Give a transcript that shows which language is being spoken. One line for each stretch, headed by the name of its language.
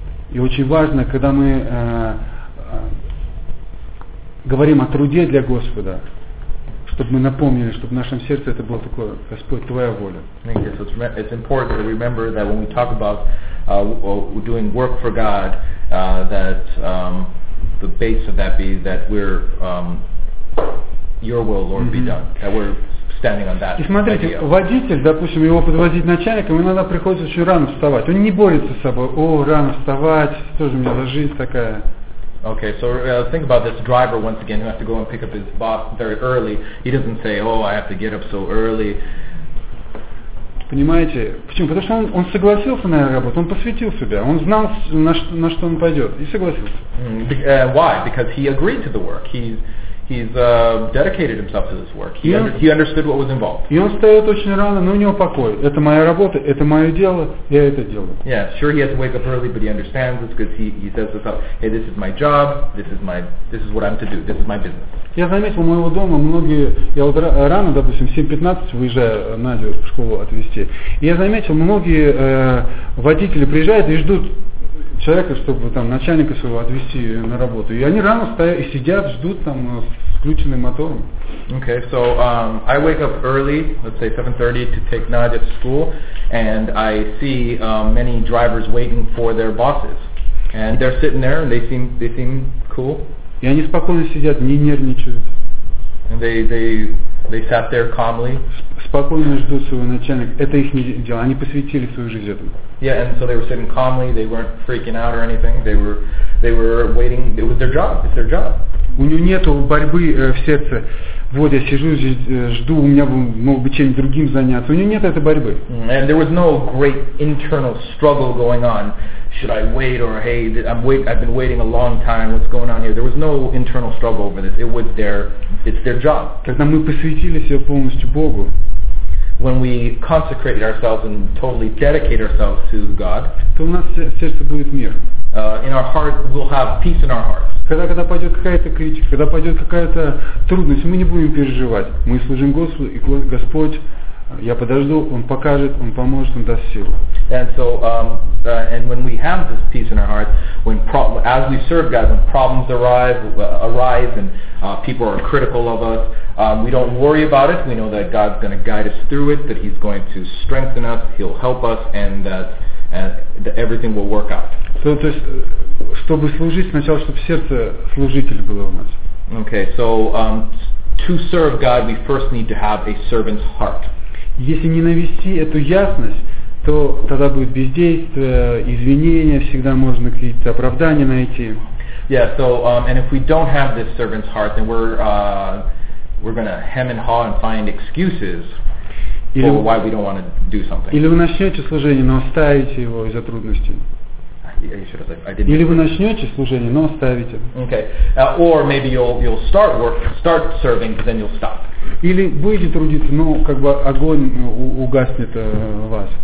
Russian: И очень важно, когда мы говорим о труде для Господа, чтобы мы напомнили, чтобы в нашем сердце это было такое: Господь, Твоя воля.
English: Okay, so it's important to remember that when we talk about doing work for God, that the base of that be that we're Your will, Lord, be done. That we're standing on that.
Russian: И смотрите,
English: idea.
Russian: Водитель, допустим, его подвозить начальником, иногда приходится очень рано вставать. Он не борется с собой. О, рано вставать, что же у меня за жизнь такая.
English: Okay, so think about this driver once again who has to go and pick up his boss very early. He doesn't say, oh, I have to get up so early.
Russian: Понимаете? Почему? Потому что он согласился на работу, он посвятил себя, он знал, на что он пойдет, и согласился.
English: Why? Because he agreed to the work. He's dedicated himself to this work. He understood what was involved.
Russian: И он встает очень рано, но у него покой. Это моя работа, это мое дело, я это делаю.
English: Yeah, sure, he has to wake up early, but he understands this because he says to himself, hey, this is my job, this is what I'm to do, this is my business.
Russian: Я заметил, у моего дома многие, я вот рано, допустим, 7:15 выезжаю Надю в школу отвезти. Я заметил, многие водители приезжают и ждут человека, чтобы там начальника своего отвезти на работу. И они рано стоят и сидят, ждут там с включенным мотором.
English: Okay, so I wake up early, let's say 7:30, to take Nadia to school, and I see many drivers waiting for their bosses. And they're sitting there, and they seem cool.
Russian: И они спокойно сидят, не нервничают.
English: And they sat there calmly.
Russian: Спокойно ждут своего начальника. Это их дело. Они посвятили свою жизнь этому.
English: Yeah, and so they were sitting calmly. They weren't freaking out or anything. They were waiting. It was their job. It's their job.
Russian: У него нету борьбы в сердце. Вот я сижу здесь, жду. У меня мог бы чем-нибудь другим заняться. У него нет этой борьбы.
English: And there was no great internal struggle going on. Should I wait or hey, I've been waiting a long time. What's going on here? There was no internal struggle over this. It was their. It's their job.
Russian: Когда мы посвятили себя полностью Богу.
English: When we consecrate ourselves and totally dedicate ourselves to God,
Russian: то у нас сердце будет мир.
English: In our heart, we'll have peace in our hearts.
Russian: Когда пойдет какая-то критика, когда пойдет какая-то трудность, мы не будем переживать. Мы служим Господу, и Господь, я подожду, Он покажет, Он поможет, Он даст силу.
English: And so, and when we have this peace in our hearts, as we serve God, when problems arise, and people are critical of us, we don't worry about it. We know that God's going to guide us through it, that He's going to strengthen us, He'll help us, and that everything will work out.
Russian: So, то есть, чтобы служить, сначала, чтобы сердце служитель было у нас.
English: Okay, so to serve God, we first need to have a servant's heart.
Russian: Если не навести эту ясность, то тогда будет бездействие, извинения, всегда можно какие-то оправдания найти.
English: Yeah, so and if we don't have this servant's heart, then we're gonna hem and haw and find excuses for why we don't want to do something.
Russian: Или вы начнете служение, но оставите его из-за трудностей. Или вы начнете служение, но оставите.
English: Okay. Or maybe you'll start serving, but then you'll stop.
Russian: Или будете трудиться, но как бы огонь угаснет вас.